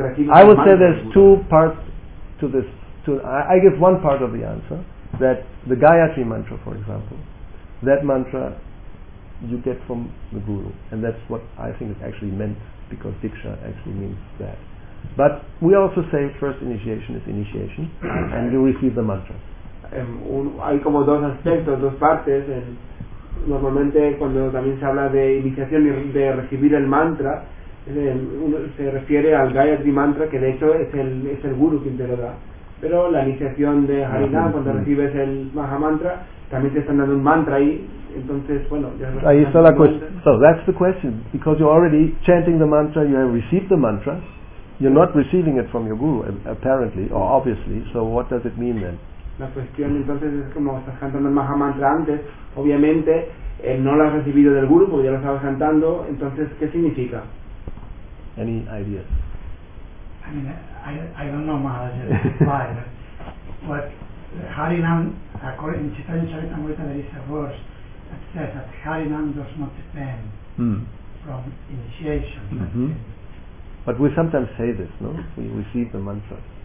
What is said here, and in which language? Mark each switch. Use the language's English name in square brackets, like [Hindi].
[English] I would say there's two parts to this. I give one part of the answer, that the Gayatri mantra, for example, that mantra you get from the guru, and that's what I think is actually meant, because Diksha actually means that. But we also say first initiation is initiation and you receive the mantra. [Spanish] Hay como dos aspectos, dos partes. Normalmente cuando también se habla de iniciación y de recibir el mantra, uno se refiere al Gayatri mantra, que de hecho es el guru quien te lo da. Pero la iniciación de Harinam, cuando recibes el Mahamantra, también te están dando un mantra ahí. Entonces, bueno, ya está la cuestión. [English] So that's the question. Because you're already chanting the mantra, you have received the mantra. You're not receiving it from your guru, apparently, or obviously, so what does it mean then? [Spanish] La cuestión entonces es como estás cantando el Mahamantra antes, obviamente, no lo has recibido del guru porque ya lo estabas cantando, entonces, ¿qué significa? [English] Any ideas? I mean, I don't know Maharaj, why, but Harinam, according to Chaitanya Charitamrita, there is a verse that says that Harinam does not depend from initiation. Mm-hmm. But we sometimes say this, no? We receive the mantra.